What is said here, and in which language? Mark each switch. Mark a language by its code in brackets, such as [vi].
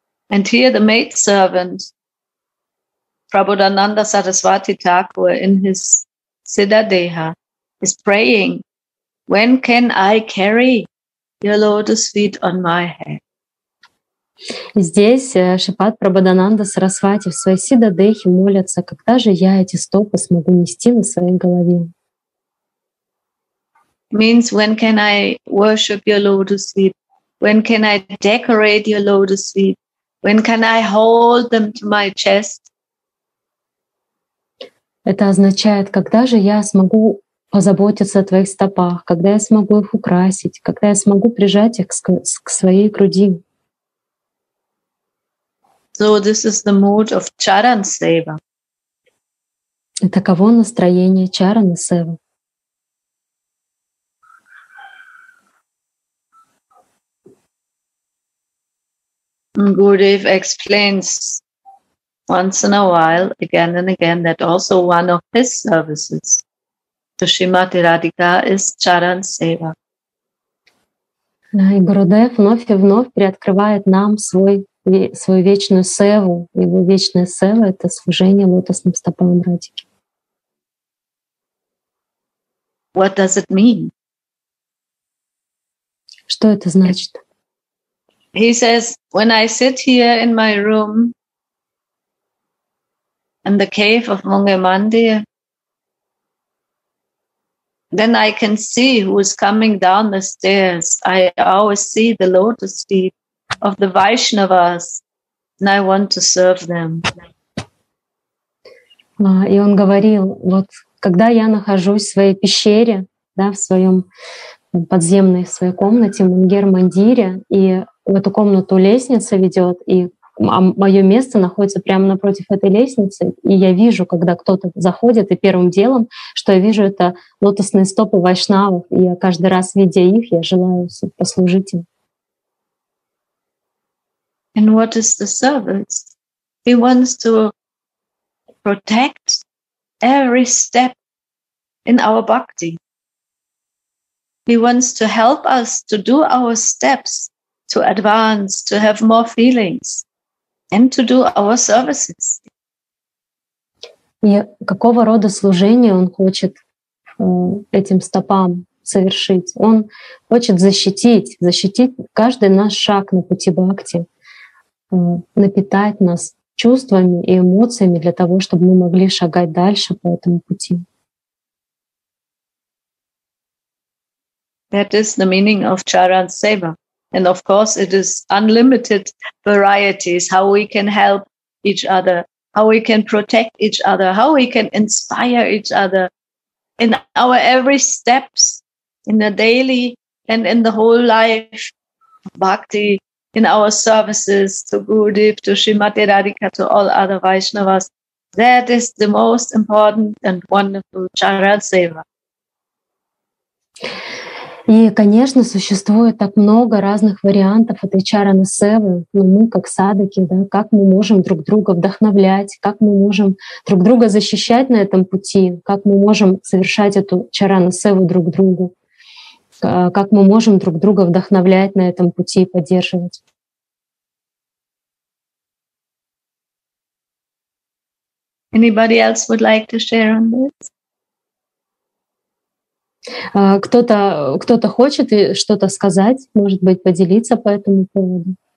[en] And here the maid servant, Prabodhananda Sarasvati Thakur, in his Siddhadeha, is praying, when can I carry your lotus feet on my head? [ru] И здесь Шипат Прабхадананда Сарасвати в своей Сиддхадехе молятся, когда же я эти стопы смогу нести на своей голове? [en] Means when can I worship your lotus feet? When can I decorate your lotus feet? When can I hold them to my chest? [ru] Это означает, когда же я смогу позаботиться о твоих стопах, когда я смогу их украсить, когда я смогу прижать их к своей груди? [en] So this is the mood of Charan Seva. [ru] И таково настроение Чарана Севы. [en] Gurudev explains once in a while, again and again, that also one of his services to Srimati Radhika is Charan Seva. [ru] И Гурудев вновь и вновь приоткрывает нам свою вечную севу. Его вечная сева — это служение лотосным стопам Радики. [en] What does it mean? [ru] Что это значит? [en] He says, when I sit here in my room in the cave of Munga Mandir, then I can see who is coming down the stairs. I always see the lotus feet of the Vaishnavas, and I want to serve them. [ru] И он говорил, вот когда я нахожусь в своей пещере, да, в своем подземной, в своей комнате, Мунгер Мандире, и в эту комнату лестница ведет, и мое место находится прямо напротив этой лестницы, и я вижу, когда кто-то заходит, и первым делом, что я вижу, это лотосные стопы вайшнавов, и я каждый раз, видя их, я желаю послужить им. [en] And what is the service? He wants to protect every step in our bhakti. He wants to help us to do our steps, to advance, to have more feelings, and to do our services. [ru] И какого рода служение он хочет этим стопам совершить? Он хочет защитить каждый наш шаг на пути бхакти, напитать нас чувствами и эмоциями для того, чтобы мы могли шагать дальше по этому пути. [en] That is the meaning of charan seva. And of course, it is unlimited varieties how we can help each other, how we can protect each other, how we can inspire each other in our every steps, in the daily and in the whole life, bhakti, in our services to Gurudev, to Srimati Radhika, to all other Vaishnavas. That is the most important and wonderful charan seva. [ru] И, конечно, существует так много разных вариантов этой чараны севы, но мы, как садаки, да, как мы можем друг друга вдохновлять, как мы можем друг друга защищать на этом пути, как мы можем совершать эту чараны севу друг другу, как мы можем друг друга вдохновлять на этом пути и поддерживать. [en] Anybody else would like to share on this? [ru] Кто-то хочет что-то сказать, может быть, поделиться по этому поводу.